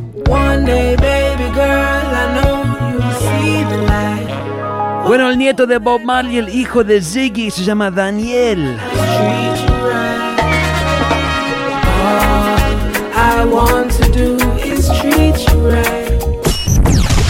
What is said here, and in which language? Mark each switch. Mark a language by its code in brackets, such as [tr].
[en] One day, baby girl, I know you see the light. [es] Bueno, el nieto de Bob Marley, el hijo de Ziggy, se llama Daniel. [en] All I want to do is treat you right.